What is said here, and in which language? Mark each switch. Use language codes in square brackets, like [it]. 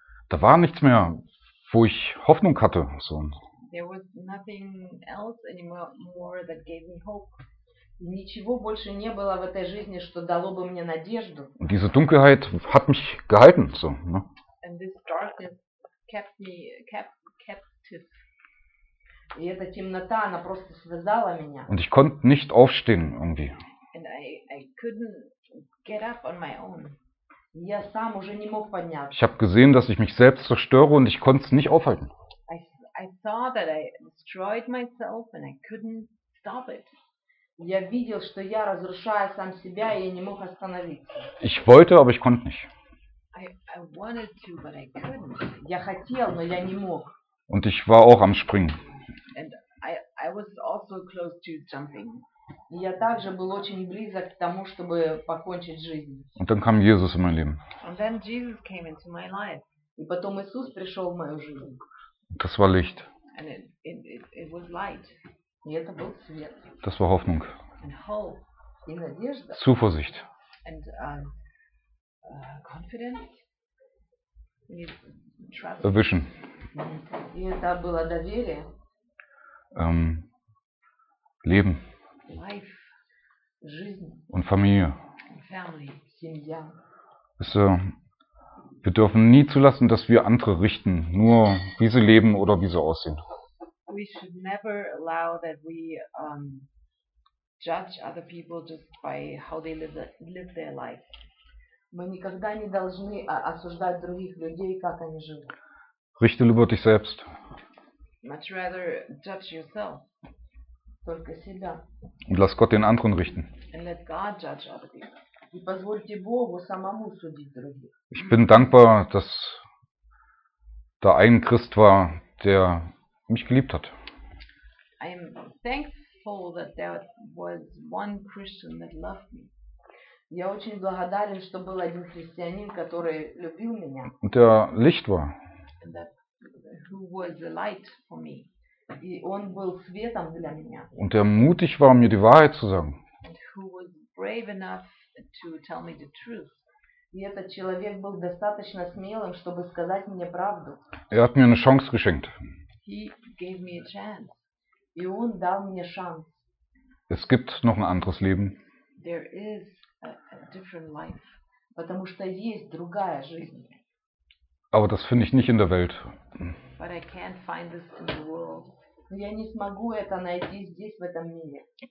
[de] Da war nichts mehr, wo ich Hoffnung hatte. [en] There was nothing else anymore that gave me hope. [ru] Ничего больше не было в этой жизни, что дало бы мне надежду. [de] Und diese Dunkelheit hat mich gehalten, so, ne? [en] And this darkness kept me captive. [ru] И эта темнота, она просто связала меня. [de] Und ich konnte nicht aufstehen irgendwie. [en] And I couldn't get up on my own. [ru] Я сам уже не мог подняться. [de] Ich habe gesehen, dass ich mich selbst zerstöre und ich konnte es nicht aufhalten. [en] I saw that I destroyed myself and I couldn't stop it. [ru] Я видел, что я разрушаю сам себя, и я не мог остановиться. [de] Ich wollte, aber ich konnte nicht. [en] I wanted to, but I couldn't. [ru] Я хотел, но я не мог. [de] Und ich war auch am Springen. [en] And I was also close to jumping. [ru] Я также был очень близок к тому, чтобы покончить жизнь. [de] Und dann kam Jesus in mein Leben. [en] And then Jesus came into my life. [ru] И потом Иисус пришел в мою жизнь. [de] Das war Licht. [en] And it was light. [ru] Это был свет. [de] Das war Hoffnung. [en] And hope. [ru] И надежда. [de] Zuversicht. [en] And confidence. And trust. A vision. [ru] И это было доверие. [de] Leben. [en] Life. [de] und Familie. [en] Family, [ru] семья. [de] Wir dürfen nie zulassen, dass wir andere richten, nur wie sie leben oder wie sie aussehen. [en] We should never allow that we judge other people just by how they live their life. [ru] Мы никогда не должны осуждать других людей, как они живут. [de] Richte lieber dich selbst. [en] Much rather judge yourself. [ru] Только себя. [de] Und lass Gott den anderen richten. [en] And let God judge other people. [ru] И позвольте Богу самому судить других. [de] Ich bin dankbar, dass da ein Christ war, der mich geliebt hat. [en] I am thankful that there was one Christian that loved me. [ru] Я очень благодарен, что был один христианин, который любил меня. [de] Und der Licht war. [en] Who was the light for me. [ru] И он был светом для меня. [de] Und der mutig war, mir die Wahrheit zu sagen. [en] And who was brave enough to tell me the truth. [ru] И этот человек был достаточно смелым, чтобы сказать мне правду. [de] Er hat mir eine Chance geschenkt. [en] He gave me a chance. [ru] И он дал мне шанс. [de] Es gibt noch ein anderes Leben. [en] There is a different life. [ru] Потому что есть другая жизнь. [de] Aber das finde ich nicht in der Welt. [en] But I can't find this in the world. [ru] Я не смогу это найти здесь, в этом мире.